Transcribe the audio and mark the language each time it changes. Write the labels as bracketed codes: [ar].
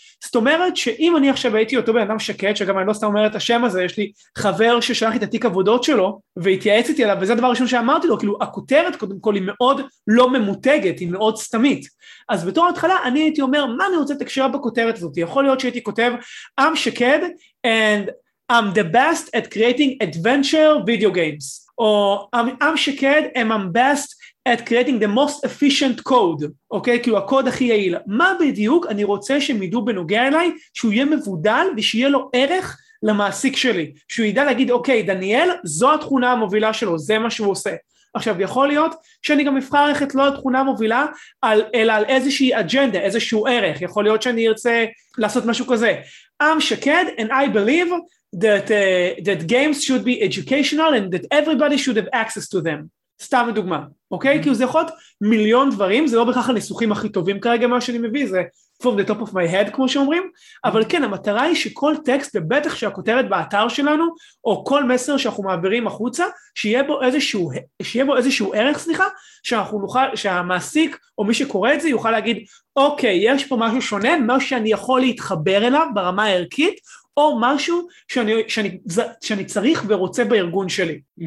[he] זאת אומרת שאם אני עכשיו הייתי אותו בן אדם שקט, שגם אני לא סתם אומר את השם הזה, יש לי חבר ששלח את התיק עבודות שלו, והתייעצתי עליו, וזה הדבר הראשון שאמרתי לו, כאילו הכותרת קודם כל היא מאוד לא ממותגת, היא מאוד סתמית. אז בתור התחלה אני הייתי אומר, מה אני רוצה תקשר בכותרת הזאת? יכול להיות שהייתי כותב, [en] I'm שקד, and I'm the best at creating adventure video games. או I'm Shaked and I'm best at creating the most efficient code, אוקיי? [he] כי הוא הקוד הכי יעיל. מה בדיוק אני רוצה שהם ידעו בנוגע אליי, שהוא יהיה מבודל ושיהיה לו ערך למעסיק שלי, שהוא ידע להגיד, אוקיי, דניאל, זו התכונה המובילה שלו, זה מה שהוא עושה. עכשיו, יכול להיות שאני גם אבחר ערכת לא לתכונה מובילה, אלא על איזושהי אג'נדה, איזשהו ערך. יכול להיות שאני ארצה לעשות משהו כזה. [en] I'm Shaked and I believe that, that games should be educational and that everybody should have access to them. [he] סתם דוגמה, אוקיי? כי זה יכול להיות מיליון דברים, זה לא בכך הניסוחים הכי טובים כרגע מה שאני מביא, זה [en] from the top of my head, [he] כמו שאומרים, אבל כן, המטרה היא שכל טקסט, ובטח שהכותרת באתר שלנו, או כל מסר שאנחנו מעבירים החוצה, שיהיה בו איזשהו ערך, סליחה, שאנחנו נוכל, שהמעסיק, או מי שקורא את זה, יוכל להגיד, אוקיי, יש פה משהו שונה, משהו שאני יכול להתחבר אליו ברמה הערכית, או משהו שאני צריך ורוצה בארגון שלי.